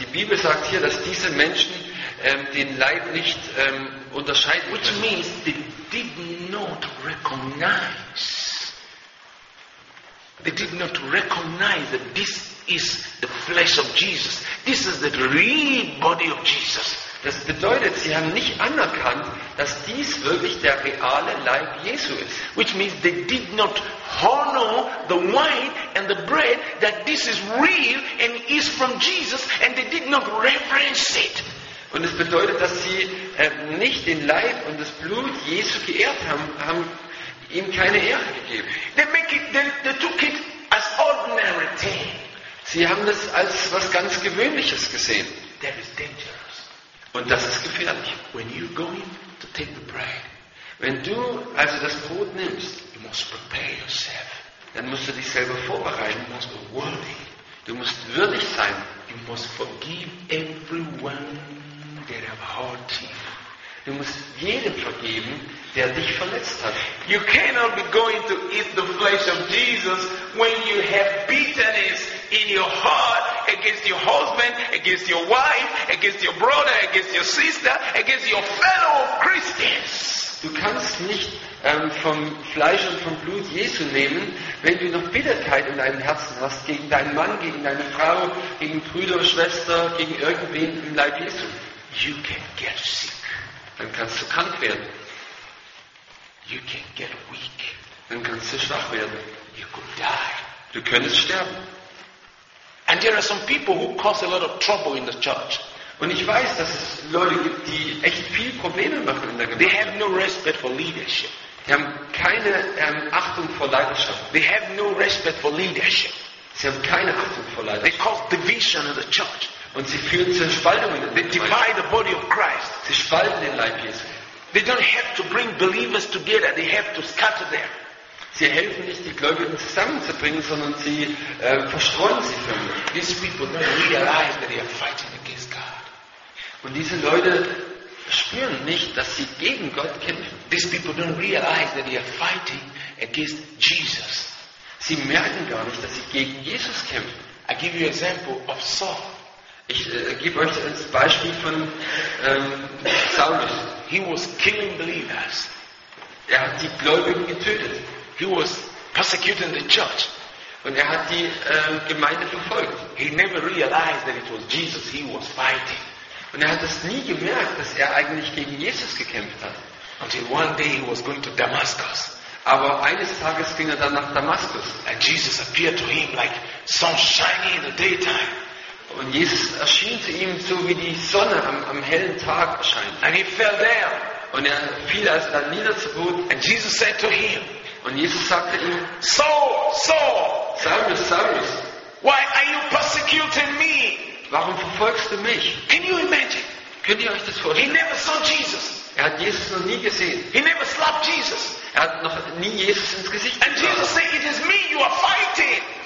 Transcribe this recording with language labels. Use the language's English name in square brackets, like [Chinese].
[German] Die Bibel sagt hier, dass diese Menschen den Leib nicht unterscheiden können. [English] Which means they did not recognize. They did not recognize that this is the flesh of Jesus. This is the real body of Jesus. [German] Das bedeutet, sie haben nicht anerkannt, dass dies wirklich der reale Leib Jesu ist. [English] Which means they did not honor the wine and the bread, that this is real and is from Jesus, and they did not reverence it. [German] Und es bedeutet, dass sie nicht den Leib und das Blut Jesu geehrt haben, haben ihm keine Ehre gegeben. [English] They took it as ordinary thing. [German] Sie haben das als was ganz Gewöhnliches gesehen. [English] That is dangerous. [German] Und das ist gefährlich. [English] When you go in to take the bread, [German] wenn du also das Brot nimmst, [English] you must prepare yourself. [German] Dann musst du dich selber vorbereiten. [English] You must be worthy. [German] Du musst würdig sein. [English] You must forgive everyone that have hurt you. [German] Du musst jedem vergeben, der dich verletzt hat. [English] You cannot be going to eat the flesh of Jesus when you have bitterness in your heart against your husband, against your wife, against your brother, against your sister, against your fellow Christians. [German] Du kannst nicht vom Fleisch und vom Blut Jesu nehmen, wenn du noch Bitterkeit in deinem Herzen hast gegen deinen Mann, gegen deine Frau, gegen Brüder oder Schwester, gegen irgendwen im Leib Jesu. [English] You can get sick. [German] Dann kannst du krank werden. [English] You can get weak. [German] Dann kannst du schwach werden. [English] You could die. [German] Du könntest sterben. [English] And there are some people who cause a lot of trouble in the church. [German] Und ich weiß, dass es Leute gibt, die echt viel Probleme machen in der Gemeinde. [English] They have no respect for leadership. [German] Die haben keine Achtung vor Leiterschaft. [English] They have no respect for leadership. [German] Sie haben keine Achtung vor Leiterschaft. [English] They cause division in the church. [German] Und sie führen zu Spaltungen. [English] They divide the body of Christ. [German] Sie spalten den Leib Jesu. [English] They don't have to bring believers together. They have to scatter them. [German] Sie helfen nicht, die Gläubigen zusammenzubringen, sondern sie verstreuen sie förmlich. [English] These people don't realize that they are fighting against God. [German] Und diese Leute spüren nicht, dass sie gegen Gott kämpfen. [English] These people don't realize that they are fighting against Jesus. [German] Sie merken gar nicht, dass sie gegen Jesus kämpfen. [English] I give you an example of Saul. [German] Ich gebe euch das Beispiel von Saulus. [English] He was killing believers. [German] Er hat die Gläubigen getötet. [English] He was persecuting the church. [German] Und er hat die Gemeinde verfolgt. [English] He never realized that it was Jesus he was fighting. [German] Und er hat es nie gemerkt, dass er eigentlich gegen Jesus gekämpft hat. [English] Until one day he was going to Damascus. [German] Aber eines Tages ging er dann nach Damaskus. [English] And Jesus appeared to him like sun shining in the daytime. [German] Und Jesus erschien zu ihm so wie die Sonne am hellen Tag erscheint. [English] And he fell down. [German] Und er fiel als dann nieder zu Boden. [English] And Jesus said to him. [German] Und Jesus sagte ihm: [English] Saul, Saul. [German] Saulus, Saulus. [English] Why are you persecuting me? [German] Warum verfolgst du mich? [English] Can you imagine? [German] Könnt ihr euch das vorstellen? [English] He never saw Jesus. [German] Er hat Jesus noch nie gesehen. [English] He never slapped Jesus. [German] Er hat noch nie Jesus ins Gesicht gesehen. [English] And Jesus said, it is me you are fighting.